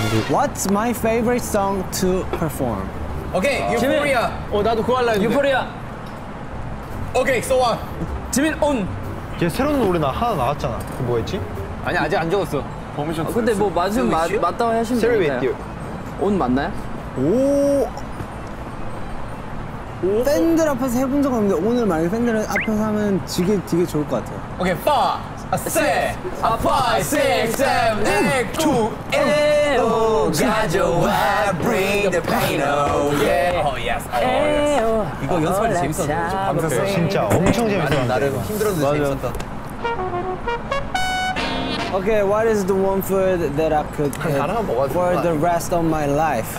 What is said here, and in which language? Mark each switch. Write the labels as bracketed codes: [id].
[en] What's my favorite song to perform? Okay, Euphoria. [ko] 어, 나도 그거 하려고 했는데. [en] Euphoria. Okay, so on. [ko] 지민, on. 이제 새로운 노래 하나 나왔잖아. 그 뭐였지? 아니, 아직 안 적었어. 버미션 근데 뭐 맞으면 맞다고 하시면 되니까요. On 맞나요? 오. 팬들 앞에서 해본 적은 없는데 오늘 만약에 팬들 앞에서 하면 되게 좋을 것 같아요. 오케이, 파! 아, 4, 아, 5, 6, 7, 8, 9, 10, 오, 가져와, [en] bring the pain, oh, yeah. Oh, yes. Oh, yes. [ko] 이거 연습할 때 재밌었는데, 감사했어요. 진짜 엄청 재밌었는데. 나름 힘들어도 재밌었다. [en] Okay, what is the one food that I could eat for the rest of my life?